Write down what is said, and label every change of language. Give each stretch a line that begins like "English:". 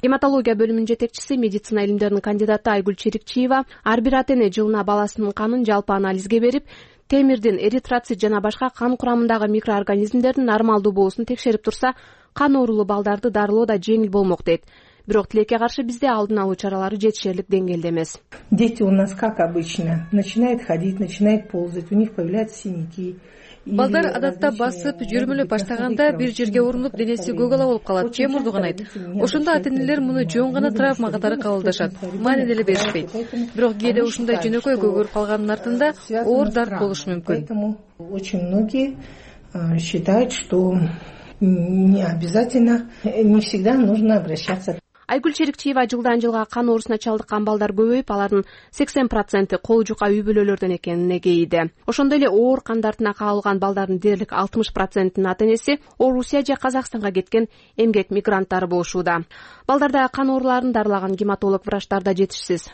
Kyrgyz: Гематология бөлүмүнүн жетекчиси, медицина илимдеринин кандидаты Айгүл Черикчиева ар бир ата эне жылына баласынын канын жалпы анализге берип, темирдин, эритроцит жана башка кан курамындагы микроорганизмдердин нормалдуу болуусун текшерип турса, кан оорулуу балдарды дарылоо да жеңил болмок дейт. Бирок тилекке каршы бизде алдын алуу чаралары жетишерлик деңгээлде эмес.
Russian: Дети у нас как обычно, начинает ходить, начинает ползать, у них появляются синяки.
Kyrgyz: Балдар адатта басып, жүрмөлөп баштаганда бир жерге урунуп, денеси көк ала болуп калат, же мурду канайт. Ошондо ата-энелер муну жөн гана травма катары кабылдашат, маани деле беришпейт. Бирок кээде ушундай жөнөкөй көгөрүп калганын артында оор дарт болушу мүмкүн.
Russian: Очень многие считают, что не обязательно, не всегда нужно обращаться.
Kyrgyz: Айгүл Черикчиева жылдан жылга кан оорусуна чалдыккан балдар көбөйүп, алардын 80% кол жука үй бүлөлөрдөн экенин эгейиде. Ошондой эле оор кан дартына кабылган балдардын дээрлик 60%нын ата энеси Орусия же Казакстанга кеткен эмгек мигранттары болушууда. Балдарда кан ооруларын дарылаган гематолог врачтар да жетишсиз.